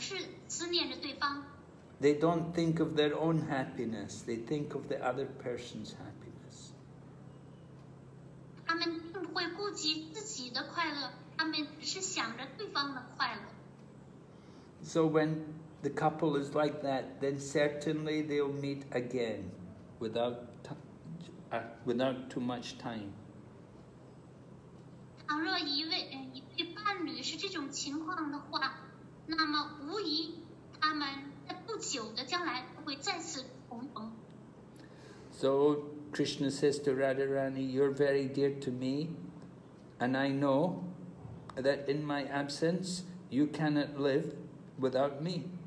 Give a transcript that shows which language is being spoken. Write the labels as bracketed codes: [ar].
[zh] 作为一位满怀爱意的忠贞的妻子和一位满怀爱意的丈夫，他们总是思念着对方。 [en] They don't think of their own happiness, they think of the other person's happiness. [zh] 他们并不会顾及自己的快乐，他们只是想着对方的快乐。 [en] So when the couple is like that, then certainly they'll meet again without too much time. [zh] 倘若一位伴侣是这种情况的话，那么无疑他们在不久的将来会再次重逢。 [en] So Krishna says to Radharani, you're very dear to me, and I know that in my absence you cannot live without me.